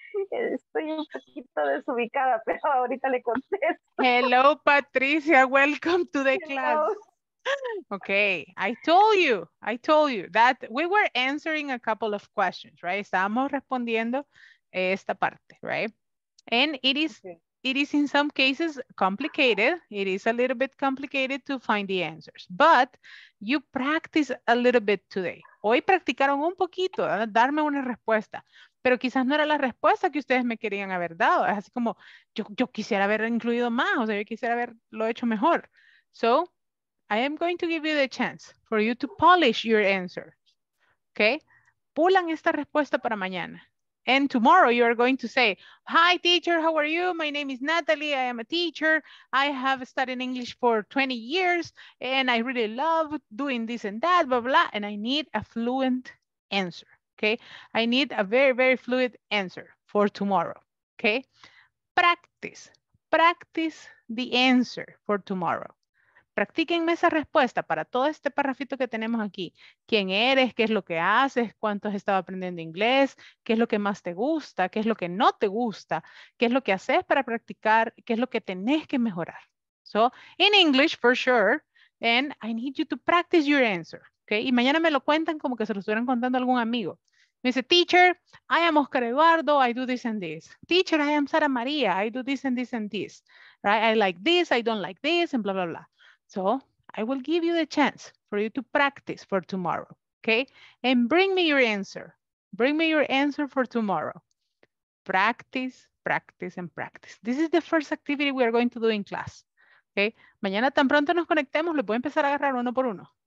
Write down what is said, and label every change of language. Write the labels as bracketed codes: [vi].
[es] Estoy un poquito desubicada, pero ahorita le contesto. [en] Hello, Patricia. Welcome to the class. Okay. I told you that we were answering a couple of questions, right? [es] Estábamos respondiendo esta parte, [en] right? And it is... Okay. It is in some cases complicated. It is a little bit complicated to find the answers, but you practice a little bit today. [es] Hoy practicaron un poquito, darme una respuesta, pero quizás no era la respuesta que ustedes me querían haber dado. Es así como, yo quisiera haber incluido más, o sea, yo quisiera haberlo hecho mejor. [en] So, I am going to give you the chance for you to polish your answers, okay? [es] Pulan esta respuesta para mañana. [en] And tomorrow you are going to say, hi teacher, how are you? My name is Natalie, I am a teacher. I have studied English for 20 years and I really love doing this and that, blah, blah, and I need a fluent answer, okay? I need a very, very fluid answer for tomorrow, okay? Practice the answer for tomorrow. [es] Practíquenme esa respuesta para todo este parrafito que tenemos aquí. ¿Quién eres? ¿Qué es lo que haces? ¿Cuánto has estado aprendiendo inglés? ¿Qué es lo que más te gusta? ¿Qué es lo que no te gusta? ¿Qué es lo que haces para practicar? ¿Qué es lo que tenés que mejorar? [en] So, in English, for sure, and I need you to practice your answer, okay? [es] Y mañana me lo cuentan como que se lo estuvieran contando a algún amigo. Me dice, [en] teacher, I am Oscar Eduardo, I do this and this. Teacher, I am Sara María, I do this and this and this. Right? I like this, I don't like this, and blah, blah, blah. So I will give you the chance for you to practice for tomorrow, okay? And bring me your answer. Bring me your answer for tomorrow. Practice, and practice. This is the first activity we are going to do in class, okay? [es] Mañana tan pronto nos conectemos, les voy a empezar a agarrar uno por uno.